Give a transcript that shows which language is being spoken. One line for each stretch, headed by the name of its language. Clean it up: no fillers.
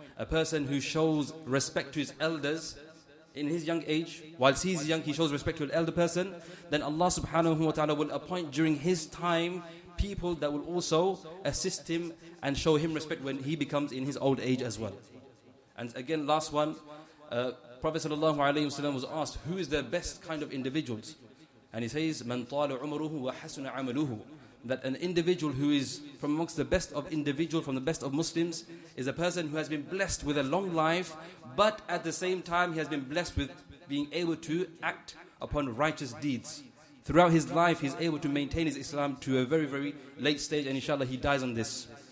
English: A person who shows respect to his elders in his young age, whilst he's young, he shows respect to an elder person, then Allah subhanahu wa ta'ala will appoint during his time people that will also assist him and show him respect when he becomes in his old age as well. And again, last one, Prophet sallallahu alayhi wa sallam was asked, who is the best kind of individuals? And he says,
Arabic: مَنْ طَالُ عُمَرُهُ وَحَسُنَ عَمَلُهُ.
English: That an individual who is from amongst the best of individuals, from the best of Muslims, is a person who has been blessed with a long life, but at the same time he has been blessed with being able to act upon righteous deeds. Throughout his life, he's able to maintain his Islam to a very, very late stage, and inshallah he dies on this.